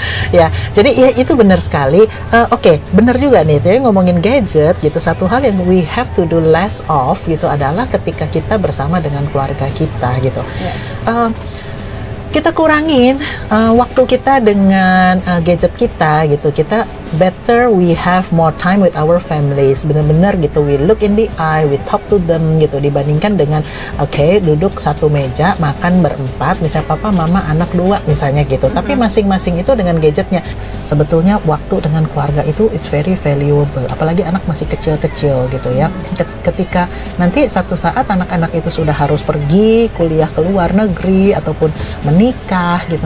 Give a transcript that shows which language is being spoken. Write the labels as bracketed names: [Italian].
[Indonesian] Ya, jadi ya itu benar sekali. Oke, benar juga nih. Tapi ngomongin gadget, gitu, satu hal yang [English] we have to do less of, [Indonesian] gitu, adalah ketika kita bersama dengan keluarga kita, gitu. Kita kurangin waktu kita dengan gadget kita, gitu. Kita [English] better we have more time with our families. [Indonesian] Benar-benar gitu, [English] we look in the eye, we talk to them, [Indonesian] gitu. Dibandingkan dengan okay, duduk satu meja makan berempat, misalnya papa, mama, anak dua, misalnya gitu. Tapi masing-masing itu dengan gadgetnya. Sebetulnya waktu dengan keluarga itu [English] it's very valuable. [Indonesian] Apalagi anak masih kecil-kecil, gitu ya. Ketika nanti satu saat anak-anak itu sudah harus pergi kuliah ke luar negeri ataupun menikah, gitu.